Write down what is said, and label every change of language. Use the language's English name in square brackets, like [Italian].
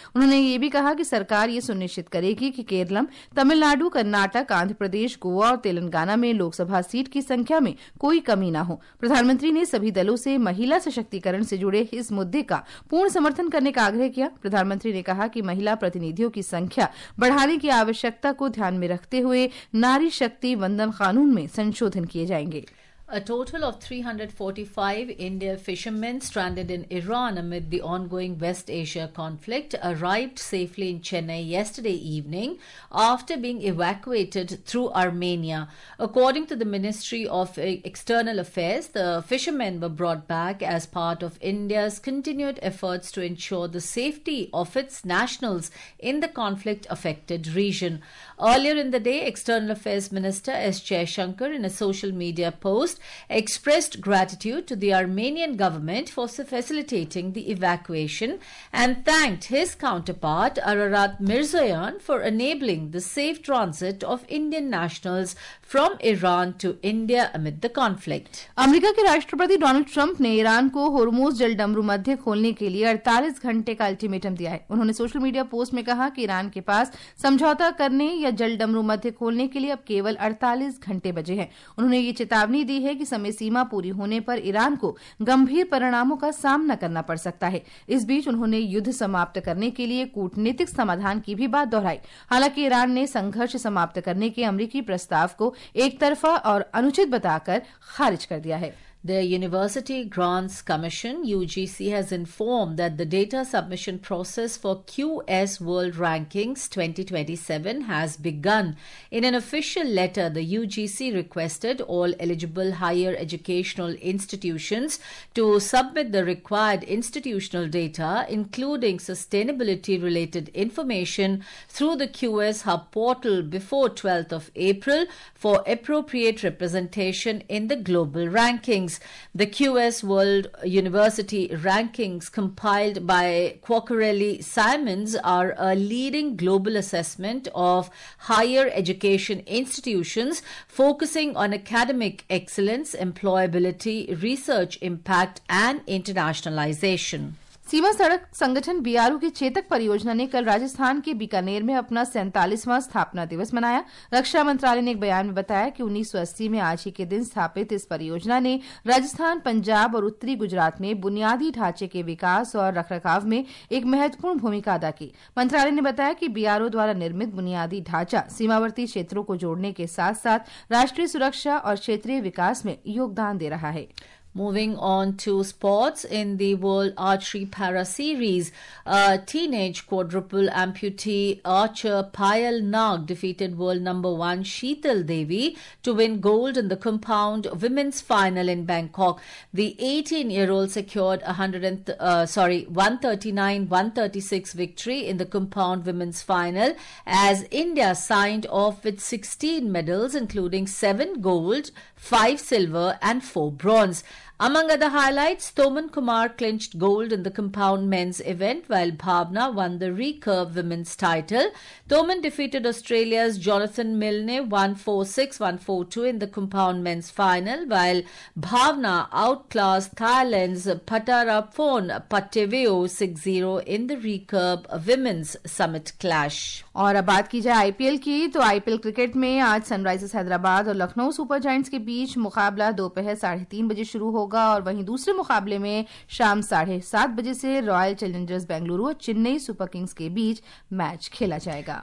[Hindi] उन्होंने ये भी कहा कि सरकार ये सुनिश्चित करेगी कि केरलम, तमिलनाडु, कर्नाटक, आंध्र प्रदेश, गोवा और तेलंगाना में लोकसभा सीट की संख्या में कोई कमी न हो। प्रधानमंत्री ने सभी दलों से महिला सशक्तिकरण से जुड़े इस मुद्दे का पूर्ण समर्थन करने का आग्रह किया। प्रधानमंत्री ने कहा कि महिला प्रतिनिधियों की संख्या बढ़ाने की आवश्यकता को ध्यान में रखते हुए नारी शक्ति वंदन कानून में संशोधन किए जाएंगे। [English] A total of 345 Indian fishermen stranded in Iran amid the ongoing West Asia conflict arrived safely in Chennai yesterday evening after being evacuated through Armenia. According to the Ministry of External Affairs, the fishermen were brought back as part of India's continued efforts to ensure the safety of its nationals in the conflict-affected region. Earlier in the day, External Affairs Minister S. Jaishankar, in a social media post, expressed gratitude to the Armenian government for facilitating the evacuation and thanked his counterpart Ararat Mirzoyan for enabling the safe transit of Indian nationals from Iran to India amid the conflict. [Hindi] America के राष्ट्रपति Donald Trump ने Iran को होर्मुज जल डमरू मध्य खोलने के लिए 48 घंटे का अल्टीमेटम दिया है। उन्होंने सोशल मीडिया पोस्ट में कहा कि ईरान के पास समझौता करने या जल डमरू मध्य खोलने के लिए अब केवल 48 घंटे बचे हैं। उन्होंने ये चेतावनी दी है कि समय सीमा पूरी होने पर ईरान को गंभीर परिणामों का सामना करना पड़ सकता है। इस बीच उन्होंने युद्ध समाप्त करने के लिए कूटनीतिक समाधान की भी बात दोहराई। हालांकि ईरान ने संघर्ष समाप्त करने के अमरीकी प्रस्ताव को एक तरफा और अनुचित बताकर खारिज कर दिया है। [English] The University Grants Commission, UGC, has informed that the data submission process for QS World Rankings 2027 has begun. In an official letter, the UGC requested all eligible higher educational institutions to submit the required institutional data, including sustainability-related information, through the QS Hub portal before 12th of April for appropriate representation in the global rankings. The QS World University Rankings, compiled by Quaccarelli Simons, are a leading global assessment of higher education institutions focusing on academic excellence, employability, research impact, and internationalization. [Hindi] सीमा सड़क संगठन BRO के चेतक परियोजना ने कल राजस्थान के बीकानेर में अपना 47वां स्थापना दिवस मनाया। रक्षा मंत्रालय ने एक बयान में बताया कि 1980 में आज ही के दिन स्थापित इस परियोजना ने राजस्थान, पंजाब और उत्तरी गुजरात में बुनियादी ढांचे के विकास और रखरखाव में एक महत्वपूर्ण भूमिका अदा की। मंत्रालय ने बताया कि बीआरओ द्वारा निर्मित बुनियादी ढांचा सीमावर्ती क्षेत्रों को जोड़ने के साथ साथ राष्ट्रीय सुरक्षा और क्षेत्रीय विकास में योगदान दे रहा है। [English] Moving on to sports, in the World Archery Para Series, teenage quadruple amputee archer Payal Nag defeated world number one Sheetal Devi to win gold in the compound women's final in Bangkok. The 18-year-old secured 139-136 victory in the compound women's final as India signed off with 16 medals, including 7 gold, 5 silver and 4 bronze. Among other highlights, Toman Kumar clinched gold in the compound men's event while Bhavna won the recurve women's title. Toman defeated Australia's Jonathan Milne 146-142 in the compound men's final while Bhavna outclassed Thailand's Phattaraporn Pattaveo 6-0 in the recurve women's summit clash. [Hindi] और अब बात की जाए IPL की तो IPL cricket में आज Sunrisers Hyderabad और लखनऊ सुपर जायंट्स के बीच मुकाबला दोपहर 3:30 बजे शुरू होगा और वहीं दूसरे मुकाबले में शाम 7:30 बजे से रॉयल चैलेंजर्स बेंगलुरु और चेन्नई सुपर किंग्स के बीच मैच खेला जाएगा.